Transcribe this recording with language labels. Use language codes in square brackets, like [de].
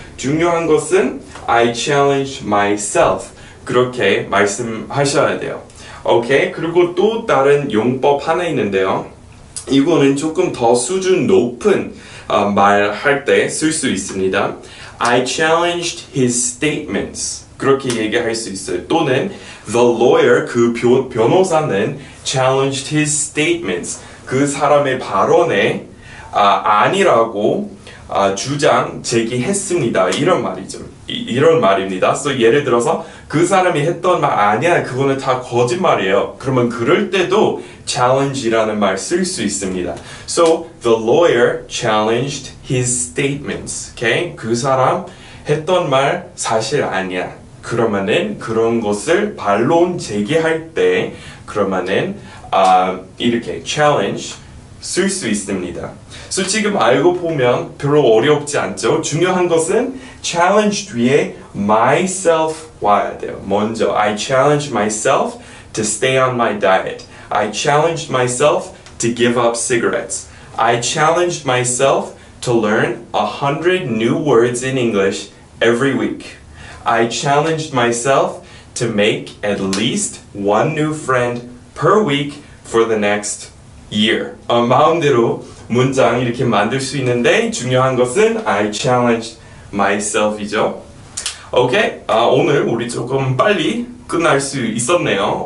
[en] 중요한 것은 I challenge myself. [ko] 그렇게 말씀하셔야 돼요. 오케이. 그리고 또 다른 용법 하나 있는데요. 이거는 조금 더 수준 높은 말할 때 쓸 수 있습니다. [en] I challenged his statements. [ko] 그렇게 얘기할 수 있어요. [en] 또는 the lawyer, 그 변호사는 challenged his statements. [ko] 그 사람의 발언에 아니라고 주장 제기했습니다. 이런 말이죠. 이런 말입니다. So 예를 들어서 그 사람이 했던 말 아니야. 그거는 다 거짓말이에요. 그러면 그럴 때도 challenge라는 말 쓸 수 있습니다. [en] So the lawyer challenged his statements. Okay? [ko] 그 사람 했던 말 사실 아니야. 그러면은 그런 것을 반론 제기할 때 그러면은 이렇게 challenge 쓸 수 있습니다. So 지금 알고 보면 별로 어렵지 않죠? 중요한 것은 challenge 뒤에 myself 와야 돼요. [en] 먼저 I challenge myself to stay on my diet. I challenge myself to give up cigarettes. I challenge myself to learn 100 new words in English every week. I challenge myself to make at least one new friend per week for the next year. [ko] 마음대로 문장 이렇게 만들 수 있는데 중요한 것은 I challenged myself 이죠. 오케이, 오늘 우리 조금 빨리 끝날 수 있었네요.